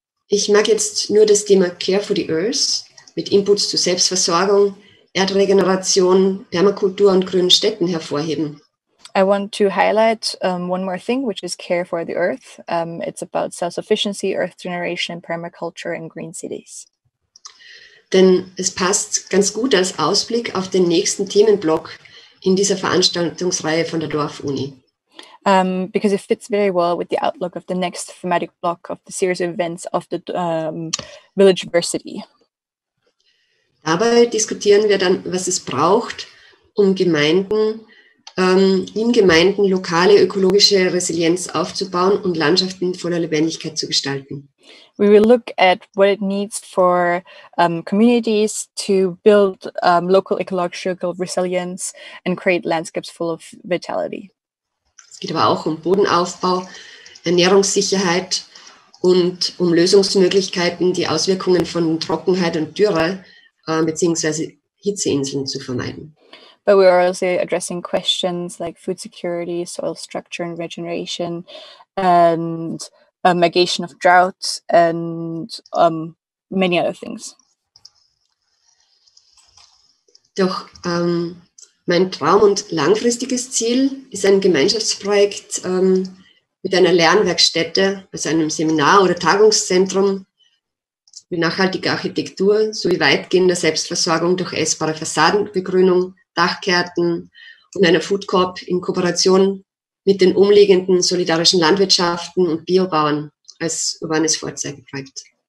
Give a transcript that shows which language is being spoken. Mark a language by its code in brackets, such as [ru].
[de] Ich mag jetzt nur das Thema Care for the Earth mit Inputs zu Selbstversorgung, Erdregeneration, Permakultur und grünen Städten hervorheben. [en] I want to highlight one more thing, which is Care for the Earth. It's about self-sufficiency, earth generation, permaculture and green cities. [de] Denn es passt ganz gut als Ausblick auf den nächsten Themenblock in dieser Veranstaltungsreihe von der DorfUni. [en] Because it fits very well with the outlook of the next thematic block of the series of events of the Village Versity. [de] Dabei diskutieren wir dann, was es braucht, um Gemeinden, in Gemeinden lokale ökologische Resilienz aufzubauen und Landschaften voller Lebendigkeit zu gestalten. [en] We will look at what it needs for communities to build local ecological resilience and create landscapes full of vitality. [de] Es geht aber auch um Bodenaufbau, Ernährungssicherheit und um Lösungsmöglichkeiten, die Auswirkungen von Trockenheit und Dürre bzw. Hitzeinseln zu vermeiden. [en] But we are also addressing questions like food security, soil structure and regeneration and mitigation of droughts and many other things. [de] Doch mein Traum und langfristiges Ziel ist ein Gemeinschaftsprojekt mit einer Lernwerkstätte, also einem Seminar- oder Tagungszentrum mit nachhaltiger Architektur sowie weitgehender Selbstversorgung durch essbare Fassadenbegrünung, Dachkärten und einer Food Corp in Kooperation mit den umliegenden solidarischen Landwirtschaften und Biobauern als urbanes Vorzeigeprojekt.